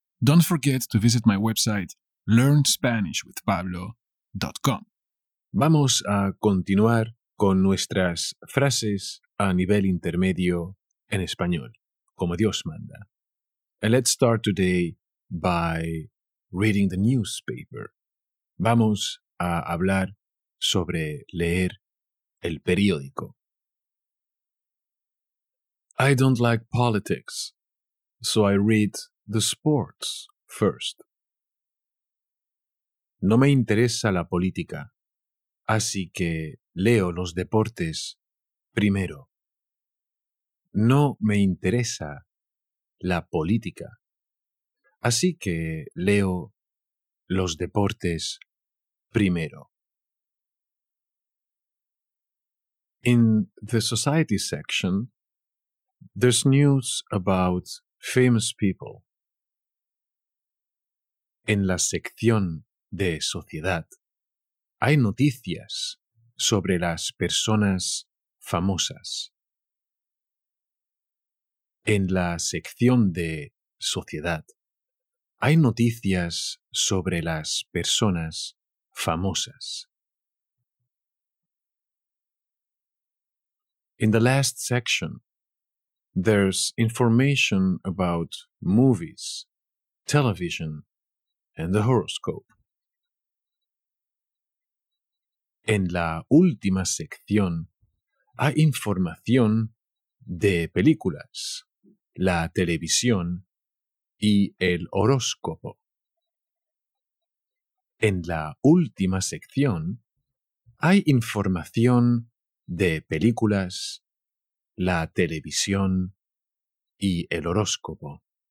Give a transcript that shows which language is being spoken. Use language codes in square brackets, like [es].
[en] Don't forget to visit my website learnspanishwithpablo.com. [es] Vamos a continuar con nuestras frases a nivel intermedio en español, como Dios manda. [en] And let's start today by reading the newspaper. [es] Vamos a hablar sobre leer el periódico. [en] I don't like politics, so I read the sports first. [es] No me interesa la política, así que leo los deportes primero. No me interesa la política, así que leo los deportes primero. [en] In the society section, there's news about famous people. [es] En la sección de sociedad, hay noticias sobre las personas famosas. En la sección de sociedad, hay noticias sobre las personas famosas. [en] In the last section, there's information about movies, television, and the horoscope. [es] En la última sección hay información de películas, la televisión y el horóscopo. En la última sección hay información de películas, la televisión y el horóscopo.